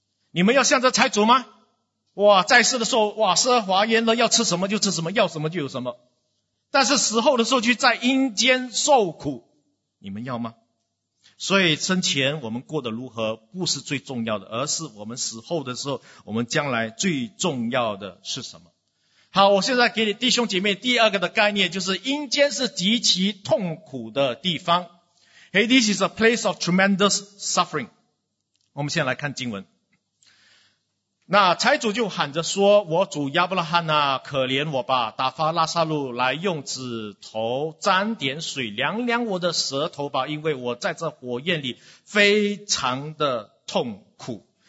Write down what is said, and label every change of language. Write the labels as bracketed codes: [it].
[zh] 你们要向着财主吗？哇，在世的时候哇奢华宴乐，要吃什么就吃什么，要什么就有什么，但是死后的时候去在阴间受苦，你们要吗？所以生前我们过得如何不是最重要的，而是我们死后的时候我们将来最重要的是什么。好，我现在给你弟兄姐妹第二个的概念，就是阴间是极其痛苦的地方。 [en] Hey, This is a place of tremendous suffering. [zh] 我们先来看经文。那财主就喊着说，我主亚伯拉罕啊，可怜我吧，打发拉撒路来用指头沾点水凉凉我的舌头吧，因为我在这火焰里非常的痛苦。